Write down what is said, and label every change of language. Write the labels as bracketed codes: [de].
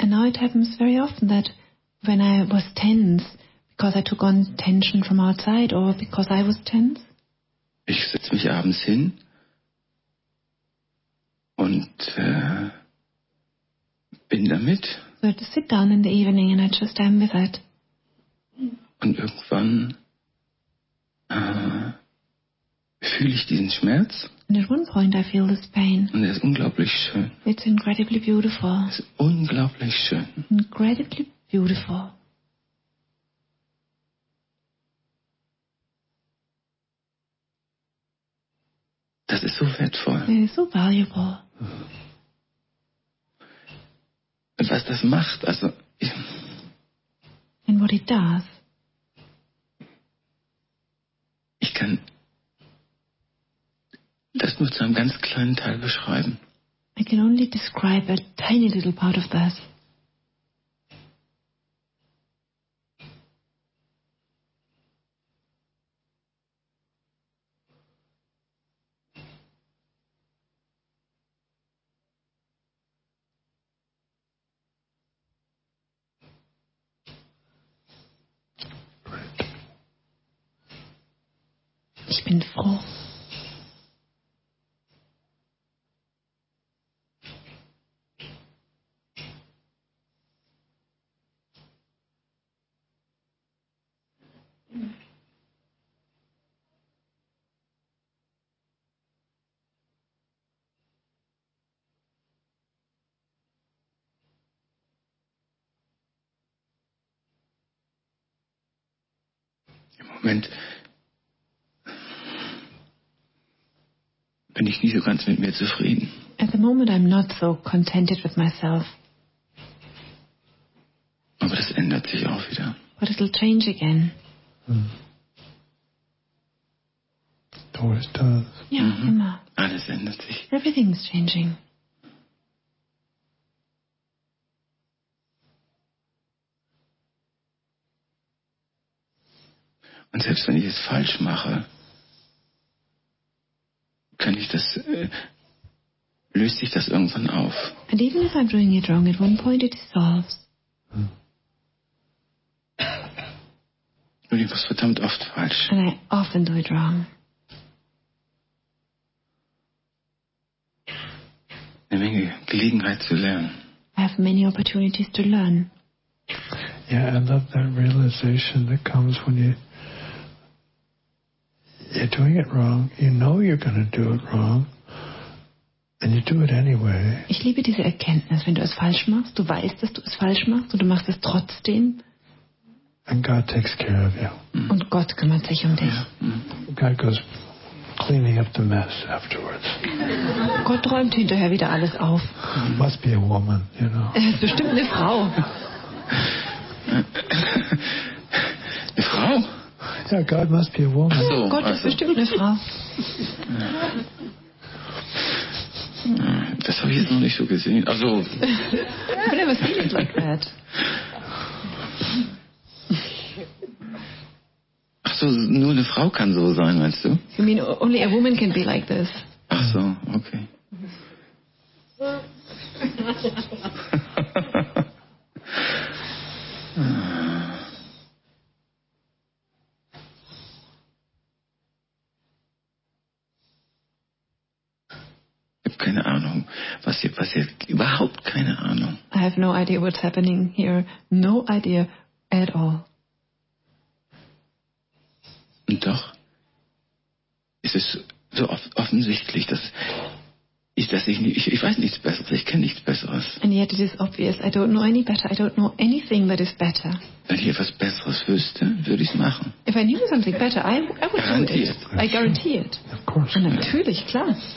[en] And now it happens very often that when I was tense, because I took on tension from outside or because I was tense. [de] Ich setze mich abends hin und bin damit. [en] So I just sit down in the evening and I just am with it. [de] Und irgendwann fühle ich diesen Schmerz. [en] And at one point I feel this pain. [de] Und er ist unglaublich schön. [en] It's incredibly beautiful. [de] Es ist unglaublich schön. [en] Incredibly beautiful. [de] Das ist so wertvoll. [en] It is so valuable. [de] Und was das macht, also. [en] And what it does. [de] Ich kann das nur zu einem ganz kleinen Teil beschreiben. [en] I can only describe a tiny little part of this. [de] Ich bin froh. im Moment bin ich nicht so ganz mit mir zufrieden. [en] At the moment I'm not so contented with myself. [de] Aber das ändert sich auch wieder. [en] But it'll change again. It always does. [de] Ja, immer. Alles ändert sich. [en] Everything is changing. [de] Und selbst wenn ich es falsch mache, kann ich das, löst sich das irgendwann auf. [en] And even if I'm doing it wrong, at one point it dissolves. [de] Und ich mache es verdammt oft falsch. [en] And I often do it wrong. [de] Eine Menge Gelegenheit zu lernen. [en] I have many opportunities to learn. Yeah, I love that realization that comes when you're doing it wrong. You know you're going to do it wrong, and you do it anyway. [de] Ich liebe diese Erkenntnis, wenn du es falsch machst, du weißt, dass du es falsch machst, und du machst es trotzdem. [en] And God takes care of you. [de] Und Gott kümmert sich um dich. [en] God goes cleaning up the mess afterwards. [de] Gott räumt hinterher wieder alles auf. [en] It must be a woman, you know. [de] Er ist bestimmt eine Frau. Eine Frau? [en] Yeah, God must be a woman. [de] So, Gott ist bestimmt eine Frau. Das habe ich jetzt noch nicht so gesehen. Also. [en] I've never seen it like that. [de] Ach so, nur eine Frau kann so sein, meinst du? [en] You mean only a woman can be like this? [de] Ach so, okay. Ich habe keine Ahnung, was hier passiert. Überhaupt keine Ahnung. [en] I have no idea what's happening here. No idea at all. [de] Und doch ist es so offensichtlich, dass ich weiß nichts Besseres, ich kenne nichts Besseres. [en] And yet it is obvious, I don't know any better, I don't know anything that is better. [de] Wenn ich etwas Besseres wüsste, würde ich es machen. [en] If I knew something better, I would [de] garantiert. [en] Do it. I guarantee it. Of course. [de] Und natürlich, klar.